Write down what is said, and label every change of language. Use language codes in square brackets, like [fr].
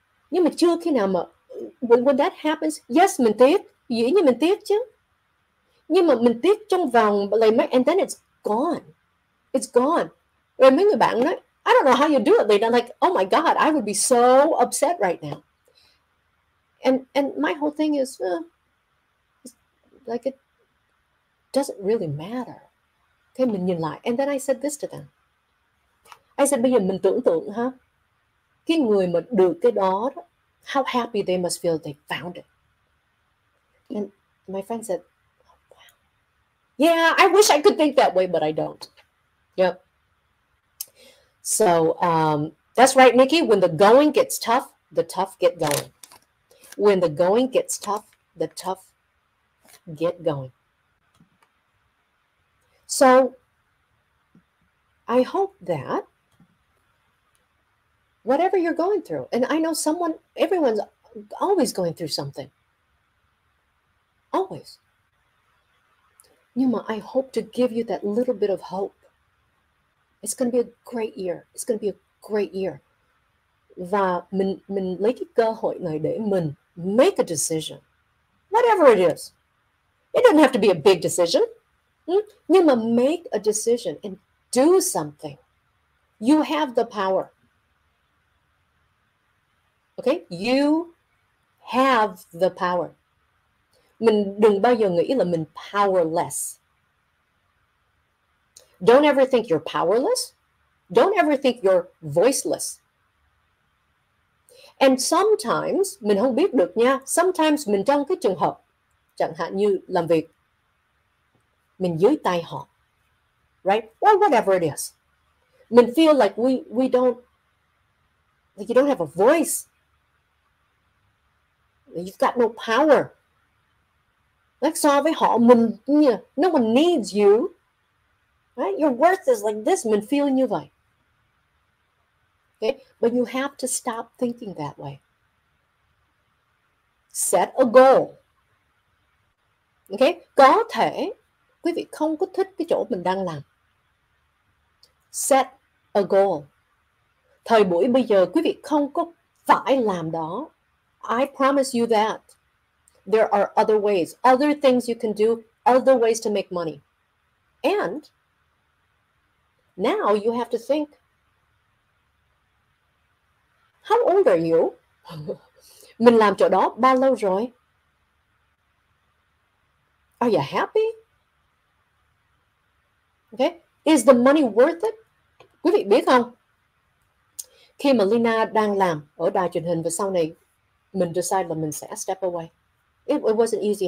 [vi] Nhưng mà chưa khi nào mà [en] when that happens, yes, [vi] mình tiếc. Dĩ nhiên mình tiếc chứ. Nhưng mà mình tiếc trong vòng [en] like, and then it's gone. It's gone. [vi] Rồi mấy người bạn nói, [en] I don't know how you do it. They're like, oh my God, I would be so upset right now. And my whole thing is, like, it doesn't really matter. [vi] Thế mình nhìn lại. [en] And then I said this to them. I said, [vi] bây giờ mình tưởng tượng, huh? Cái người mà được cái đó, [en] how happy they must feel they found it. And my friend said, oh, wow. Yeah, I wish I could think that way, but I don't. Yep. So that's right, Nikki. When the going gets tough, the tough get going. When the going gets tough, the tough get going. So I hope that whatever you're going through, and I know someone, everyone's always going through something. Always. Yuma, I hope to give you that little bit of hope. It's going to be a great year. It's going to be a great year. [vi] Và mình lấy cái cơ hội này để mình [en] make a decision. Whatever it is. It doesn't have to be a big decision. [vi] Nhưng mà [en] make a decision and do something. You have the power. Okay? You have the power. [vi] Mình đừng bao giờ nghĩ là mình powerless. [en] Don't ever think you're powerless. Don't ever think you're voiceless. [vi] And sometimes, mình không biết được nha, sometimes mình trong cái trường hợp, chẳng hạn như làm việc, mình dưới tay họ, right? [en] Or whatever it is. Mình feel like we don't, like you don't have a voice. You've got no power. Like [vi] so với họ, [en] no one needs you. Right? Your worth is like this, [vi] mình feel như vậy. [en] Okay? But you have to stop thinking that way. Set a goal. Okay? [vi] Có thể quý vị không có thích cái chỗ mình đang làm. [en] Set a goal. [vi] Thời buổi bây giờ quý vị không có phải làm đó. [en] I promise you that. There are other ways, other things you can do, other ways to make money. And now you have to think, how old are you? [vi] Mình làm chỗ đó bao lâu rồi? [en] Are you happy? Okay, is the money worth it? [vi] Quý vị biết không? Khi mà Lina đang làm ở đài truyền hình và sau này mình decide là mình sẽ [en] step away. It wasn't easy.